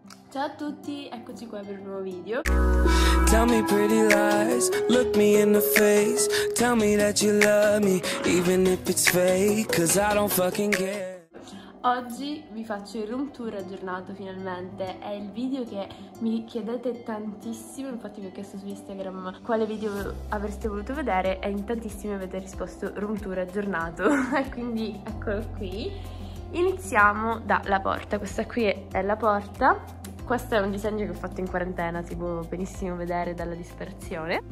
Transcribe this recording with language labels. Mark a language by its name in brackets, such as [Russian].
[Italian] Ciao a tutti, eccoci qua per un nuovo video. [English] Tell me pretty lies, look me in the face, tell me that you love me, even if it's fake, cause I don't fucking care. [Italian] Oggi vi faccio il room tour aggiornato finalmente, è il video che mi chiedete tantissimo, infatti vi ho chiesto su Instagram quale video avreste voluto vedere e in tantissimi avete risposto room tour aggiornato, e quindi eccolo qui. Iniziamo dalla porta, questa qui è la porta, questo è un disegno che ho fatto in quarantena, si può benissimo vedere dalla dispersione.